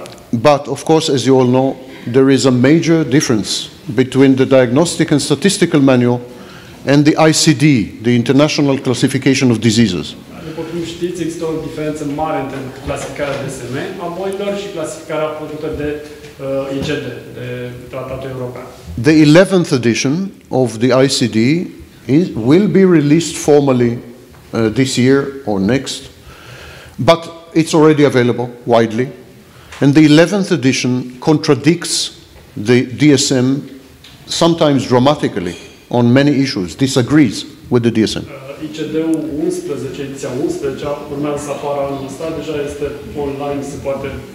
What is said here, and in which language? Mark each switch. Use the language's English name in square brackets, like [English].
[English] But, of course, as you all know, there is a major difference between the diagnostic and statistical manual and the ICD, the International Classification of Diseases. [Romanian] După cum știți, există o diferență mare între clasificarea DSM a bolilor și clasificarea făcută de ICD, de Tratatul European. [English] The 11th edition of the ICD will be released formally this year or next, but it's already available widely. And the 11th edition contradicts the DSM, sometimes dramatically, on many issues, disagrees with the DSM. [Romanian] ICD-ul 11, ediția 11, urmează să apară anul ăsta, deja este online, se poate